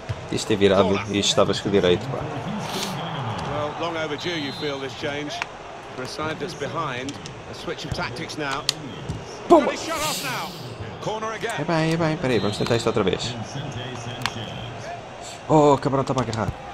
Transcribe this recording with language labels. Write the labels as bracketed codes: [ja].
[pt] Isto é virado e isto estava a direito, pá. [en] Well, long overdue you feel this change. For a side that's behind, a switch of tactics now. Boom. Corner again. [pt] É bem, peraí, vamos tentar isto outra vez. Oh, cabrão, está para agarrar.